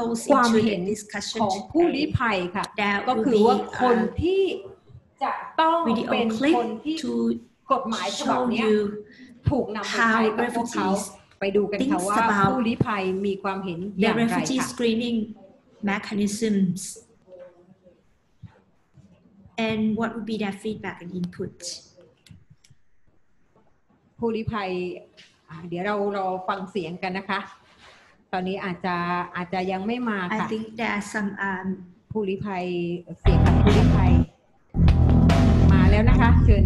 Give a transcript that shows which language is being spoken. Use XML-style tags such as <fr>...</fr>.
<th>ความเห็นของผู้ลี้ภัยค่ะก็คือว่าคนที่จะต้องเป็นคนที่กฎหมายฉบับนี้ถูกนำไปใช้กับเขาไปดูกันค่ะว่าผู้ลี้ภัยมีความเห็นอย่างไรค่ะ</th> <en>The refugee screening mechanisms and what would be their feedback and input</en> <th>ผู้ลี้ภัยเดี๋ยวเรารอฟังเสียงกันนะคะตอนนี้อาจจะยังไม่มาค่ะ</th> <en>I think there's some</en> <th>ผู้ลี้ภัยเสียงของผู้ลี้ภัยมาแล้วนะคะเชิญ</th>